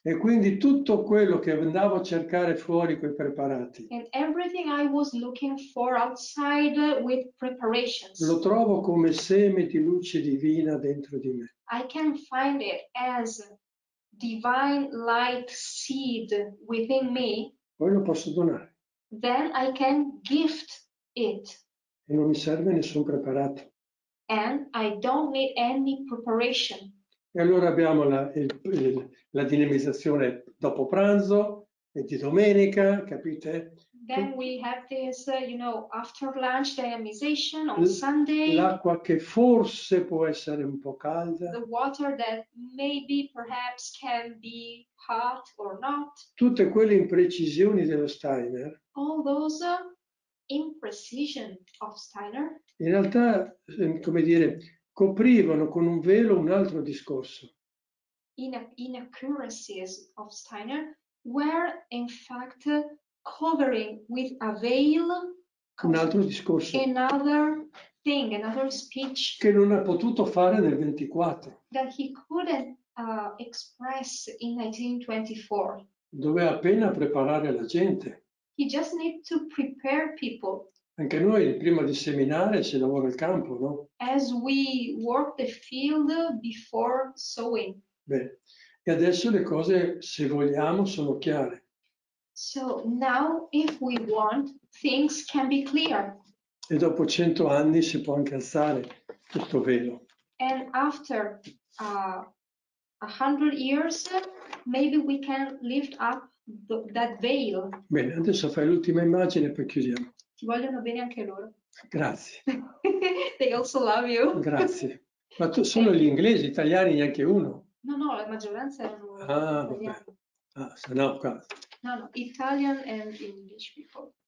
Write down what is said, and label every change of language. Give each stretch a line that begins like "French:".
Italian: e quindi tutto quello che andavo a cercare fuori con i preparati,
English: and everything I was looking for outside with preparations,
Italian: lo trovo come seme di luce divina dentro di me.
English: I can find it as divine light seed within me.
Italian: Poi lo posso donare.
English: Then I can gift it.
Italian: E non mi serve nessun preparato.
English: And I don't need any preparation.
Italian: E allora abbiamo la dinamizzazione dopo pranzo e di domenica, capite?
English: Then we have this, you know, after lunch dynamization on Sunday.
Italian: L'acqua che forse può essere un po' calda.
English: The water that maybe perhaps can be hot or not.
Italian: Tutte quelle imprecisioni dello Steiner.
English: All those imprecisions of Steiner.
Italian: In realtà, come dire, coprivano con un velo un altro discorso.
English: Inaccuracies of Steiner were in fact covering with a veil
Italian: un altro discorso.
English: Another thing, another speech
Italian: che non ha potuto fare nel 24.
English: That he couldn't express in 1924.
Italian: Doveva appena preparare la gente.
English: He just need to prepare people.
Italian: Anche noi prima di seminare si lavora il campo, no?
English: As we work the field before sowing.
Italian: Beh, e adesso le cose, se vogliamo, sono chiare.
English: So now, if we want, things can be clear.
Italian: E dopo 100 anni si può anche alzare tutto velo.
English: And after 100 years, maybe we can lift up that veil.
Italian: Bene, adesso fai l'ultima immagine e poi chiudiamo. Ti vogliono bene anche loro. Grazie.
English: They also love you.
Italian: Grazie. Ma tu, solo gli inglesi, gli italiani, neanche uno. No, no, la maggioranza erano italiani. Ah, okay.
English: Ah, so no, no, Italian and English people.